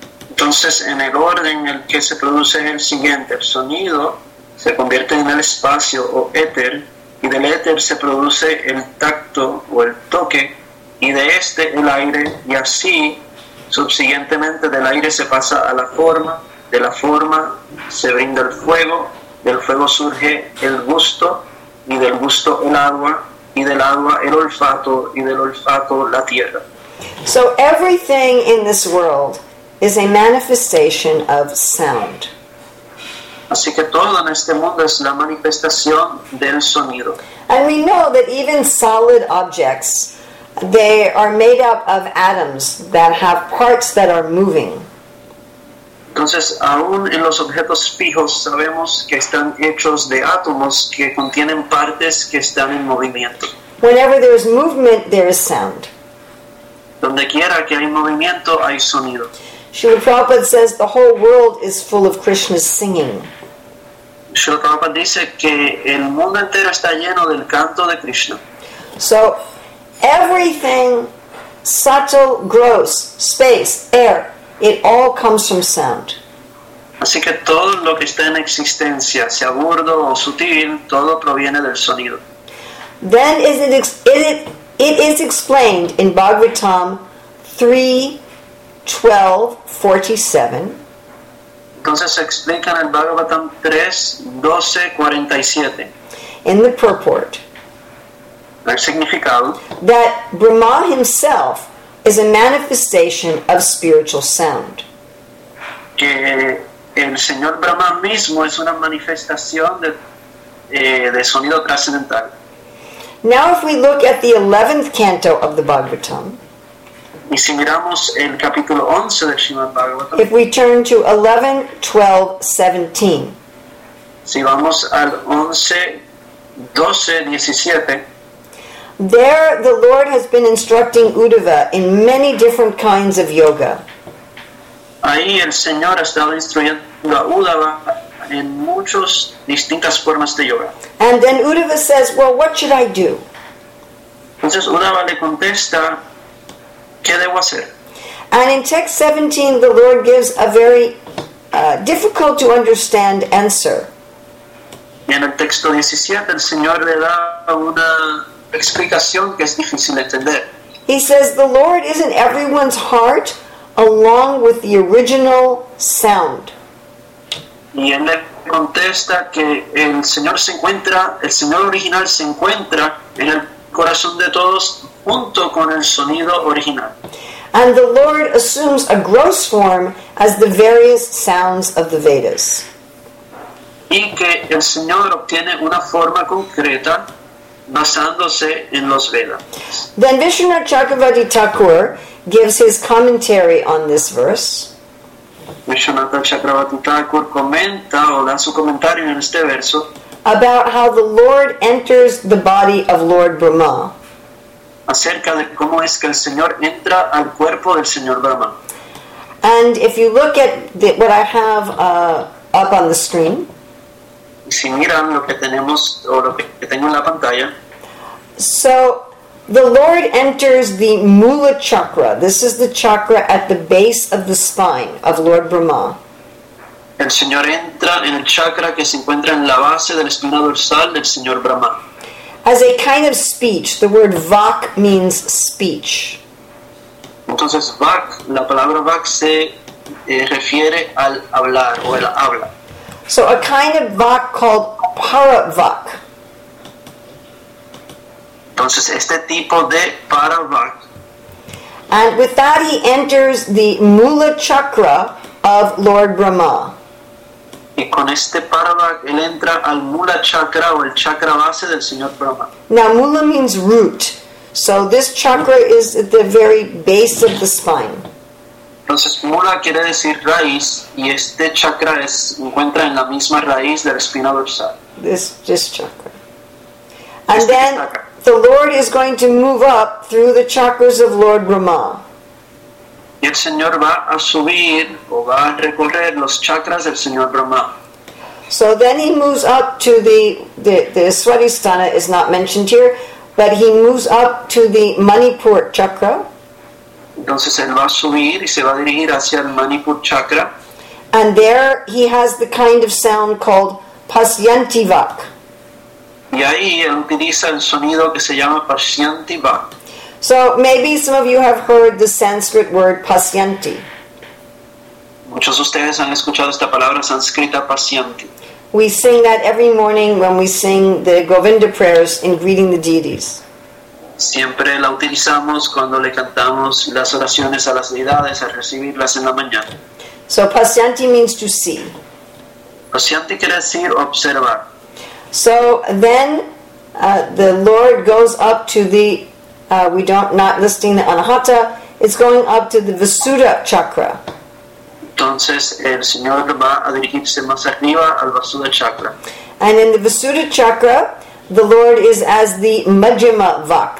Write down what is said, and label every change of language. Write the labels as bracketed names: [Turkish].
[Spanish] Entonces, en el orden en el que se produce el siguiente, el sonido se convierte en el espacio o éter, y del éter se produce el tacto o el toque, y de este el aire, y así, subsiguientemente, del aire se pasa a la forma, de la forma se brinda el fuego. Del fuego surge el gusto, y del gusto el agua, y del agua el olfato, y del olfato la tierra. [English] So everything in this world is a manifestation of sound. [Spanish] Así que todo en este mundo es la manifestación del sonido. [English] And we know that even solid objects, they are made up of atoms that have parts that are moving. [Spanish] Entonces, aún en los objetos fijos sabemos que están hechos de átomos que contienen partes que están en movimiento. [English] Whenever there is movement, there is sound. [Spanish] Donde quiera que hay movimiento, hay sonido. [English] Srila Prabhupada says the whole world is full of Krishna's singing. [Spanish] Srila Prabhupada dice que el mundo entero está lleno del canto de Krishna. [English] So, everything subtle, gross, space, air, it all comes from sound. [Spanish] Así que todo lo que está en existencia, sea burdo o sutil, todo proviene del sonido. [English] Then it is explained in Bhagavatam 3:12:47. [Spanish] Entonces se explica en el Bhagavatam 3:12:47. [English] In the purport. [Spanish] El significado. [English] That Brahma himself is a manifestation of spiritual sound. [Spanish] Que el Señor Brahma mismo es una manifestación de sonido trascendental. [English] Now if we look at the 11th canto of the Bhagavatam, [Spanish] y si miramos el capítulo 11 del Srimad Bhagavatam, [English] if we turn to 11:12:17, [Spanish] si vamos al 11:12:17, [English] there, the Lord has been instructing Uddhava in many different kinds of yoga. [Spanish] Ahí el Señor ha estado instruyendo a Uddhava en muchas distintas formas de yoga. [English] And then Uddhava says, well, what should I do? [Spanish] Entonces Uddhava le contesta, ¿qué debo hacer? [English] And in text 17, the Lord gives a very difficult to understand answer. [Spanish] Y en el texto 17, el Señor le da una explicación que es difícil entender. [English] He says, the Lord is in everyone's heart along with the original sound. [Spanish] Y él le contesta que el Señor original se encuentra en el corazón de todos junto con el sonido original. [English] And the Lord assumes a gross form as the various sounds of the Vedas. [Spanish] Y que el Señor obtiene una forma concreta basándose en los Vedas. [English] Then Vishnu Chakravarti Thakur gives his commentary on this verse. [Spanish] Vishwanatha Chakravarti Thakur comenta o da su comentario en este verso [English] about how the Lord enters the body of Lord Brahma. [Spanish] Acerca de cómo es que el Señor entra al cuerpo del Señor Brahma. [English] And if you look at what I have up on the screen, [Spanish] si miran lo que tenemos o lo que tengo en la pantalla, [English] so the Lord enters the Mula Chakra. This is the chakra at the base of the spine of Lord Brahma. [Spanish] El Señor entra en el chakra que se encuentra en la base de la espina dorsal del Señor Brahma. [English] As a kind of speech, the word vak means speech. [Spanish] Entonces vak, la palabra vak se refiere al hablar o el habla. [English] So a kind of vak called para vak. [Spanish] Entonces, este tipo de paravak. [English] And with that, he enters the Mula Chakra of Lord Brahma. [Spanish] Y con este paravak, él entra al Mula Chakra, o el chakra base del Señor Brahma. [English] Now, Mula means root. So, this chakra is at the very base of the spine. [Spanish] Entonces, Mula quiere decir raíz, y este chakra se encuentra en la misma raíz de la espina dorsal. [English] This chakra. And [Spanish] este [English] then chakra. The Lord is going to move up through the chakras of Lord Brahma. [Spanish] El Señor va a subir o va a recorrer los chakras del Señor Brahma. [English] So then he moves up to the Swadhisthana is not mentioned here, but he moves up to the Manipur chakra. [Spanish] Entonces él va a subir y se va a dirigir hacia el Manipur chakra. [English] And there he has the kind of sound called Pasyantivak. [Spanish] Y ahí él utiliza el sonido que se llama Pasyanti Vak. [English] So maybe some of you have heard the Sanskrit word Pasyanti. [Spanish] Muchos de ustedes han escuchado esta palabra sánscrita Pasyanti. [English] We sing that every morning when we sing the Govinda prayers in greeting the deities. [Spanish] Siempre la utilizamos cuando le cantamos las oraciones a las deidades al recibirlas en la mañana. [English] So Pasyanti means to see. [Spanish] Pasyanti quiere decir observar. [English] So then the Lord goes up to the, it's going up to the Vasuda chakra. [Spanish] Entonces el Señor va a dirigirse más arriba al Vasuda chakra. [English] And in the Vasuda chakra, the Lord is as the Majjhima Vak.